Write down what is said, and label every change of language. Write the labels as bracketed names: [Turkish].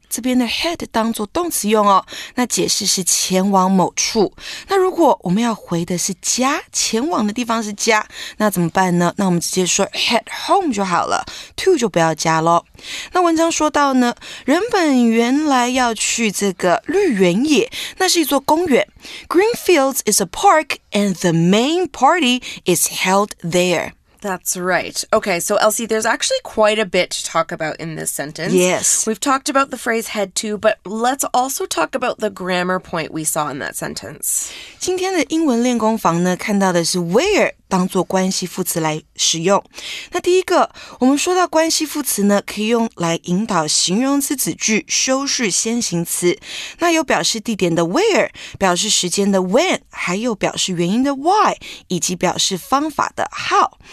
[Chinese] 这边的 head 当作动词用哦，那解释是前往某处。那如果我们要回的是家，前往的地方是家，那怎么办呢？那我们直接说 head home 就好了 ，to 就不要加喽。那文章说到呢，人们原来要去这个绿原野，那是一座公园。 [English] Green fields is a park, and the main party is held there. That's right. Okay, so Elsie, there's actually quite a bit to talk about in this sentence. Yes. We've talked about the phrase head to, but let's also talk about the grammar point we saw in that sentence. [Chinese] 今天的英文练功房呢，看到的是 where 当作关系副词来使用。那第一个，我们说到关系副词呢，可以用来引导形容词子句，修饰先行词。那有表示地点的 where, 表示时间的 when, 还有表示原因的 why, 以及表示方法的 how。